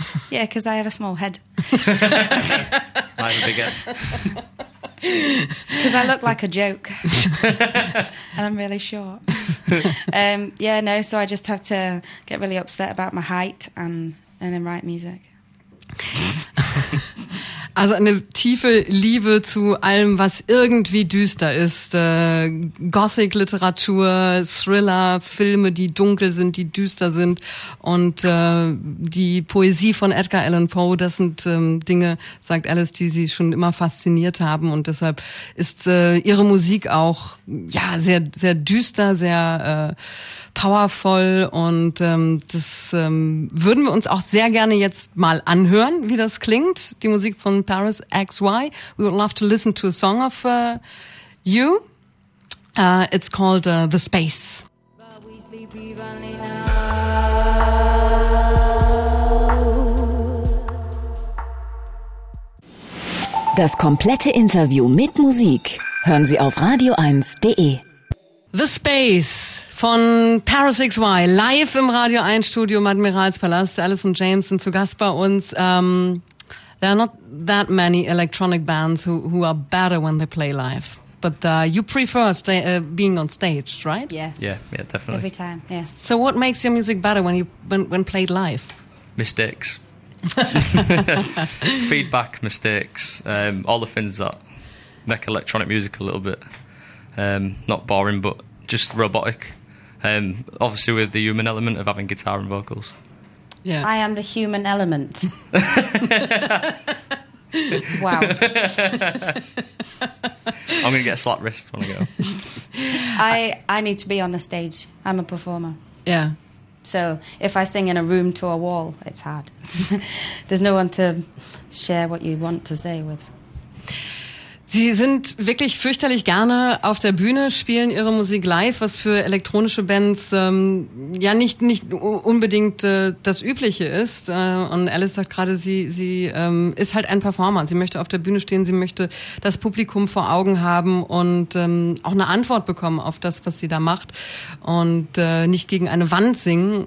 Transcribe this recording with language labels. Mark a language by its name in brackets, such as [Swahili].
[English] Yeah, because I have a small head. I have a big head. Because I look like a joke. And I'm really short. Yeah, no, so I just have to get really upset about my height and then write music. [German] Also eine tiefe Liebe zu allem, was irgendwie düster ist. Gothic-Literatur, Thriller, Filme, die dunkel sind, die düster sind. Und die Poesie von Edgar Allan Poe, das sind Dinge, sagt Alice, die sie schon immer fasziniert haben. Und deshalb ist ihre Musik auch ja sehr, sehr düster, sehr powerful. Und das würden wir uns auch sehr gerne jetzt mal anhören, wie das klingt, die Musik von Paris XY. [English] We would love to listen to a song of you. It's called The Space. [German] Das komplette Interview mit Musik hören Sie auf radio1.de. The Space von Paris XY, live im Radio 1 Studio im Admiralspalast. Alice und James sind zu Gast bei uns. [English] There are not that many electronic bands who are better when they play live. But you prefer being on stage, right? Yeah, definitely. Every time, yes. So what makes your music better when played live? Mistakes. Feedback, mistakes, all the things that make electronic music a little bit not boring, but just robotic. Obviously with the human element of having guitar and vocals. Yeah. I am the human element. Wow. I'm going to get a slap wrist when I go. I need to be on the stage. I'm a performer. Yeah. So if I sing in a room to a wall, it's hard. There's no one to share what you want to say with. [German] Sie sind wirklich fürchterlich gerne auf der Bühne, spielen ihre Musik live, was für elektronische Bands ja nicht unbedingt das Übliche ist. Und Alice sagt gerade, sie ist halt ein Performer. Sie möchte auf der Bühne stehen, sie möchte das Publikum vor Augen haben und auch eine Antwort bekommen auf das, was sie da macht und nicht gegen eine Wand singen.